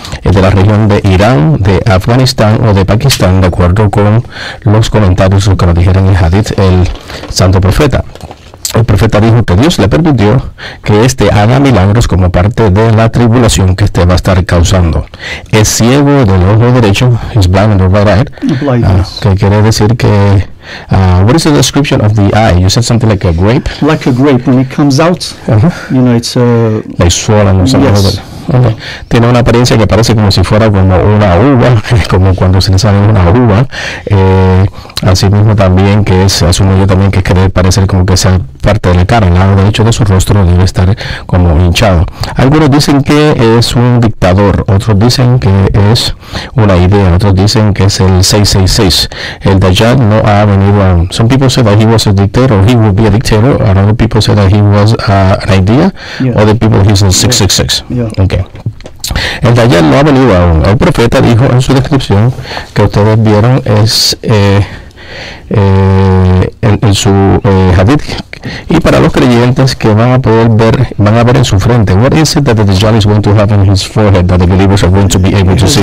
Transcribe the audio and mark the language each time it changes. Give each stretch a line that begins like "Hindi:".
Spanish: ¿Es de la región de Irán, de Afganistán o de Pakistán, de acuerdo con los comentarios que nos dijeron el Hadith, el santo profeta? El profeta dijo que Dios le permitió que éste haga milagros como parte de la tribulación que éste va a estar causando. Es ciego del ojo derecho, es
English: blind or right eye,
Spanish: que quiere decir que...
English: what is the description of the eye? You said something like a grape? Like a grape, when it comes out, you know, it's a... Like swollen or something like that. Okay.
Spanish: Tiene una apariencia que parece como si fuera como una uva, como cuando se le sale una uva, así mismo también que es, asumo yo también que es querer parecer como que sea parte de la cara, el lado derecho de su rostro debe estar como hinchado. Algunos dicen que es un dictador, otros dicen que es una idea, otros dicen que es el 666. El Dajjal no ha venido aún.
English: Some people say that he was a dictator, or he would be a dictator. Other people say that he was an idea, yeah. Other people he's a 666. Yeah. Yeah.
Spanish: Okay. El Dajjal no ha venido aún. El profeta dijo en su descripción que ustedes vieron es en su hadith. Y para los creyentes que van a poder ver, van a ver en su frente.
English: What is it that the Dajjal is going to have in his forehead that the believers are going to be able to see?